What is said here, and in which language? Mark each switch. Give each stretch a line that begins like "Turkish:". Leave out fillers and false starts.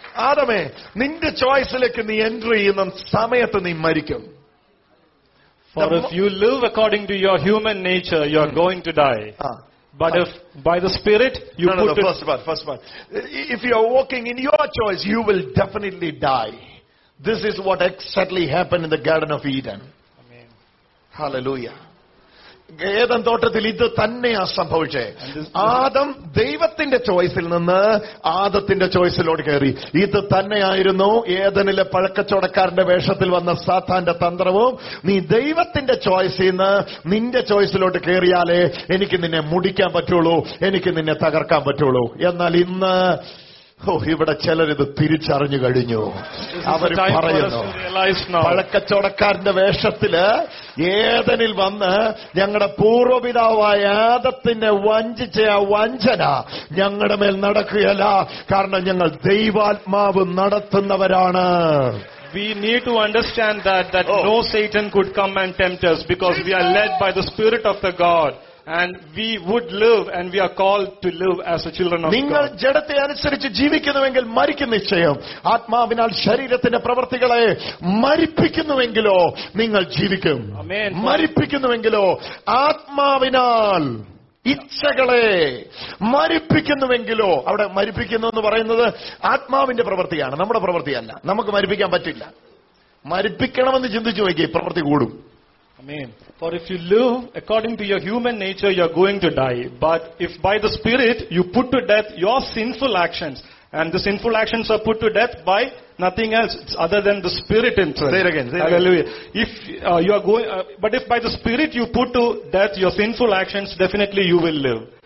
Malayalam: ആദമേ, നിന്റെ ചോയ്സിലേക്ക് നീ എൻട്രി ചെയ്യുന്ന സമയത്ത് നീ മരിക്കും.
English: For if you live according to your human nature, you are going to die. But if by the Spirit you put it... First of all. If you are walking in your choice, you will definitely die. This is what exactly happened in the Garden of Eden. Amen. Hallelujah.
Malayalam: Eden തോട്ടത്തിൽ ഇത് തന്നെയാണ് സംഭവിച്ചേ. ആദം ദൈവത്തിന്റെ ചോയ്സിൽ നിന്ന് ആദത്തിന്റെ ചോയ്സിലോട് കയറി. ഇത് തന്നെയായിരുന്നു ഏദനിലെ പഴക്കച്ചവടക്കാരന്റെ വേഷത്തിൽ വന്ന സാത്താന്റെ തന്ത്രവും. നീ ദൈവത്തിന്റെ ചോയ്സിൽ നിന്ന് നിന്റെ ചോയ്സിലോട്ട് കയറിയാലേ എനിക്ക് നിന്നെ മുടിക്കാൻ പറ്റുള്ളൂ, എനിക്ക് നിന്നെ തകർക്കാൻ പറ്റുള്ളൂ. എന്നാൽ ഇന്ന് ഇവിടെ ചിലരിത് തിരിച്ചറിഞ്ഞു കഴിഞ്ഞു. അവർ പറയുന്നു, പഴക്കച്ചവടക്കാരന്റെ വേഷത്തില് ഏദനിൽ വന്ന് ഞങ്ങളുടെ പൂർവ്വപിതാവായ ആദത്തിനെ വഞ്ചിച്ച ആ വഞ്ചന ഞങ്ങളുടെ മേൽ നടക്കുകയല്ല, കാരണം ഞങ്ങൾ ദൈവാത്മാവ് നടത്തുന്നവരാണ്.
English: We need to understand that no Satan could come and tempt us, because we are led by the Spirit of the God. And we would live, and we are called to live as the children of God.
Malayalam: നിങ്ങൾ ജഡത്തെ അനുസരിച്ച് ജീവിക്കുന്നുവെങ്കിൽ മരിക്കും നിശ്ചയം. ആത്മാവിനാൽ ശരീരത്തിന്റെ പ്രവൃത്തികളെ മരിപ്പിക്കുന്നുവെങ്കിലോ നിങ്ങൾ ജീവിക്കും.
English: Amen.
Malayalam: മരിപ്പിക്കുന്നുവെങ്കിലോ ആത്മാവിനാൽ ഇച്ഛകളെ മരിപ്പിക്കുന്നുവെങ്കിലോ. അവിടെ മരിപ്പിക്കുന്നു എന്ന് പറയുന്നത് ആത്മാവിന്റെ പ്രവൃത്തിയാണ്, നമ്മുടെ പ്രവൃത്തിയല്ല. നമുക്ക് മരിപ്പിക്കാൻ പറ്റില്ല. മരിപ്പിക്കണമെന്ന് ചിന്തിച്ചു നോക്കി, പ്രവൃത്തി കൂടും.
English: Amen. For if you live according to your human nature, you are going to die. But if by the Spirit you put to death your sinful actions, and the sinful actions are put to death by nothing else, it's other than the Spirit in them. Say it again. Hallelujah. If by the Spirit you put to death your sinful actions, definitely you will live.